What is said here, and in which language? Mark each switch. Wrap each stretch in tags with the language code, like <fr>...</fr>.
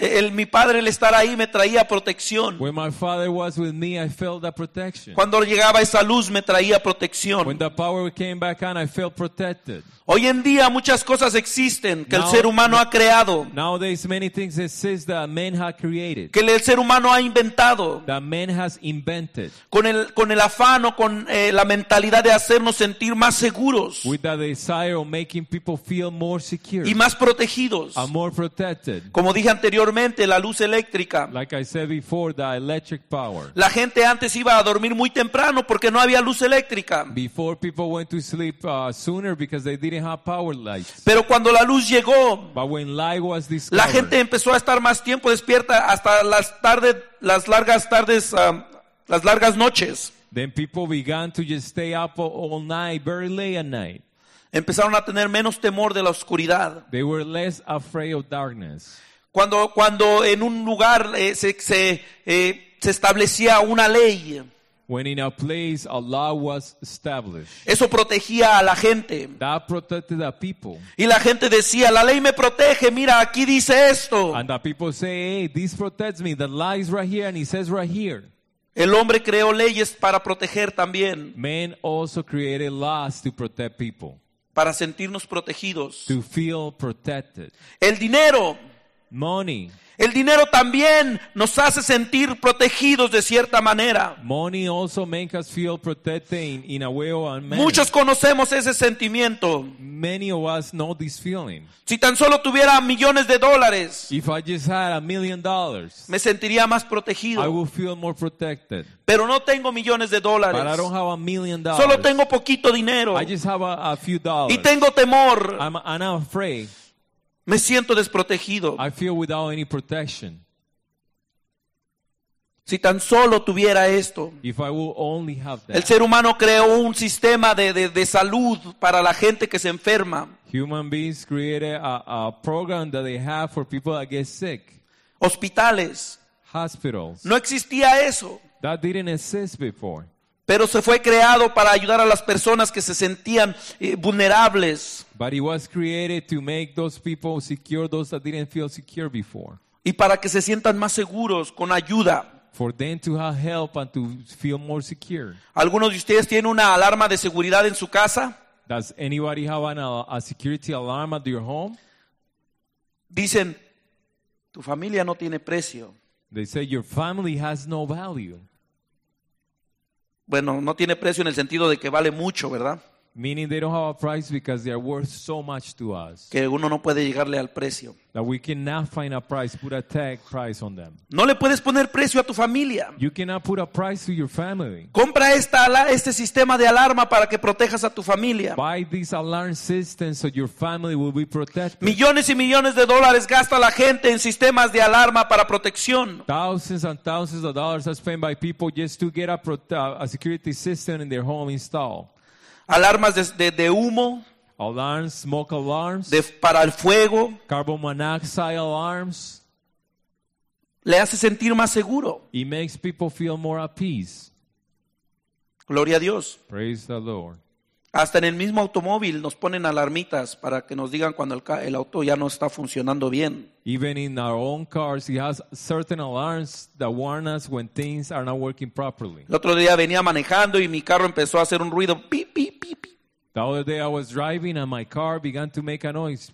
<es>Mi padre, el estar ahí, me traía protección.</es> <en>When my father was with me, I felt that protection.</en> <es>Cuando llegaba esa luz, me traía protección.</es> <en>When the power came back on, I felt protected.</en> <es>Hoy en día muchas cosas existen que el ser humano ha creado.</es> <en>Nowadays many things exist that man has created.</en> <es>Que el ser humano ha inventado.</es> <en>That man has invented.</en> <es>Con el afán o con la mentalidad de hacernos sentir más seguros.</es> <en>With the desire of making people feel more secure.</en> <es>Y más protegidos.</es> <en>And more protected.</en> <es>Como dije anteriormente, la luz eléctrica.</es> <en>Like I said before, the electric power.</en> <es>La gente antes iba a dormir muy temprano porque no había luz eléctrica.</es> <en>Before people went to sleep sooner because they didn't have power lights.</en> <es>Pero cuando la luz llegó,</es> <en>but when light was discovered,</en> <es>la gente empezó a estar más tiempo despierta hasta las largas noches.</es> <en>Then people began to just stay up all night, very late at night.</en> <es>Empezaron a tener menos temor de la oscuridad.</es> <en>They were less afraid of darkness.</en> <es>Cuando en un lugar se establecía una ley.</es> <en>When in a place a law was established.</en> <es>Eso protegía a la gente.</es> <en>That protected the people.</en> <es>Y la gente decía, la ley me protege, mira, aquí dice esto.</es> <en>And the people say, hey, this protects me, the law is right here and it says right here.</en> <es>El hombre creó leyes para proteger también.</es> <en>Men also created laws to protect people.</en> <es>Para sentirnos protegidos.</es> <en>To feel protected.</en> <es>El dinero.</es> <en>Money.</en> <es>El dinero también nos hace sentir protegidos de cierta manera.</es> <en>Money also makes us feel protected in a way or a manner.</en> <es>Muchos conocemos ese sentimiento.</es> <en>Many of us know this feeling.</en> <es>Si tan solo tuviera millones de dólares.</es> <en>If I just had $1,000,000.</en> <es>Me sentiría más protegido.</es> <en>I would feel more protected.</en> <es>Pero no tengo millones de dólares.</es> <en>But I don't have $1,000,000.</en> <es>Solo tengo poquito dinero.</es> <en>I just have a few dollars.</en> <es>Y tengo temor.</es> <en>I'm afraid.</en> <es>Me siento desprotegido.</es> <en>I feel without any protection.</en> <es>Si tan solo tuviera esto.</es> <en>If I will only have that.</en> <es>El ser humano creó un sistema de salud para la gente que se enferma.</es> <en>Human beings created a program that they have for people that get sick.</en> <es>Hospitales.</es> <en>Hospitals.</en> <es>No existía eso.</es> <en>That didn't exist before.</en> <es>Pero se fue creado para ayudar a las personas que se sentían vulnerables.</es> <en>But it was created to make those people secure, those that didn't feel secure before.</en> <es>Y para que se sientan más seguros con ayuda.</es> <en>For them to have help and to feel more secure.</en> <es>¿Algunos de ustedes tienen una alarma de seguridad en su casa?</es> <en>Does anybody have a security alarm at your home?</en> <es>Dicen, tu familia no tiene precio.</es> <en>They say your family has no value.</en> <es>Bueno, no tiene precio en el sentido de que vale mucho, ¿verdad?</es> <en>Meaning they don't have a price because they are worth so much to us.</en> <es>Que uno no puede llegarle al precio.</es> <en>That we cannot find a price, put a tag price on them.</en> <es>No le puedes poner precio a tu familia.</es> <en>You cannot put a price to your family.</en> <es>Compra este sistema de alarma para que protejas a tu familia.</es> <en>Buy this alarm system so your family will be protected.</en> <es>Millones y millones de dólares gasta la gente en sistemas de alarma para protección.</es> <en>Thousands and thousands of dollars are spent by people just to get a security system in their home installed.</en> <es>Alarmas de humo.</es> <en>Alarms, smoke alarms.</en> <es>Para el fuego.</es> <en>Carbon monoxide alarms.</en> <es>Le hace sentir más seguro.</es> <en>It makes people feel more at peace.</en> <es>Gloria a Dios.</es> <en>Praise the Lord.</en> <es>Hasta en el mismo automóvil nos ponen alarmitas para que nos digan cuando el auto ya no está funcionando bien.</es> <en>Even in our own cars, it has certain alarms that warn us when things are not working properly.</en> <es>El otro día venía manejando y mi carro empezó a hacer un ruido. Beep, beep, beep, beep.</es> <en>The other day I was driving and my car began to make a noise.</en>